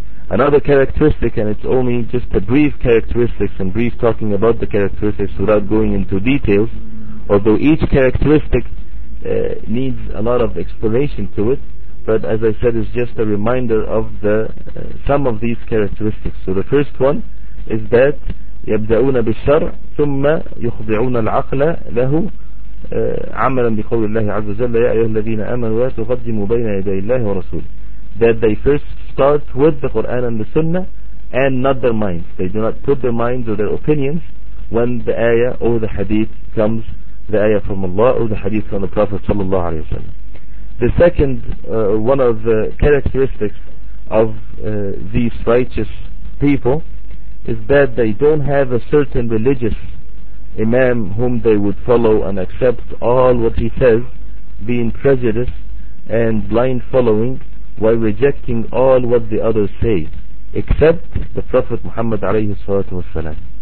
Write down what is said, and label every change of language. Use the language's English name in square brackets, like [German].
[English] Another characteristic, and it's only just a brief characteristics and brief talking about the characteristics without going into details, although each characteristic needs a lot of explanation to it, but as I said, it's just a reminder of the some of these characteristics. So the first one is that [Arabic] يَبْدَأُونَ بِالشَّرْعِ ثُمَّ يُخْضِعُونَ الْعَقْلَ لَهُ عَمَلًا بِقَوْلِ اللَّهِ عَزَّ وَجَلَّ يَا أَيُّهَا الَّذِينَ آمَنُوا تُقَدِّمُوا بَيْنَ يَدَيِ اللَّهِ وَرَسُولِهِ. [English] That they first start with the Quran and the Sunnah and not their minds. They do not put their minds or their opinions when the ayah or the hadith comes, the ayah from Allah or the hadith from the Prophet sallallahu alayhi wa sallam. The second one of the characteristics of these righteous people is that they don't have a certain religious imam whom they would follow and accept all what he says, being prejudiced and blind following while rejecting all what the others say, except the Prophet Muhammad alayhi salatu wasalam.